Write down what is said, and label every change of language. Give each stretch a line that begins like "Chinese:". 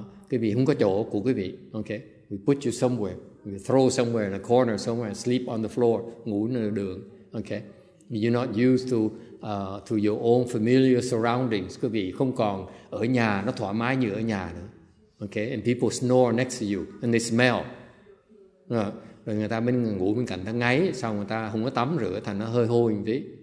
Vietnamese: Quý vị không có chỗ của quý vị.
English: Okay, we put you somewhere. We throw somewhere in a corner somewhere. Sleep on the floor.
Vietnamese: Ngủ nơi đường.
English: Okay, you're not used to. To your own familiar surroundings,
Vietnamese: quý vị không còn ở nhà nó thoải mái như ở nhà nữa.
English: Okay, and people snore next to you and they smell.
Vietnamese: Rồi người ta bên ngủ bên cạnh ta ngáy, sau người ta không có tắm rửa thành nó hơi hôi một tí.